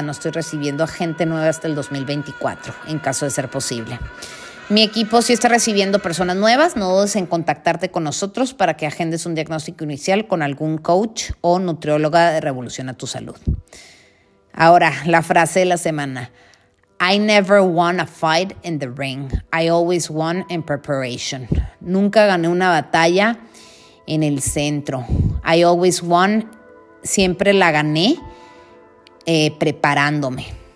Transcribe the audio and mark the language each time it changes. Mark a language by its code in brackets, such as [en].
[es] No estoy recibiendo a gente nueva hasta el 2024, en caso de ser posible. Mi equipo sí está recibiendo personas nuevas. No dudes en contactarte con nosotros para que agendes un diagnóstico inicial con algún coach o nutrióloga de Revolución a tu Salud. Ahora, la frase de la semana. [en] I never won a fight in the ring. I always won in preparation. [es] Nunca gané una batalla en el centro. [en] I always won. [es] Siempre la gané preparándome.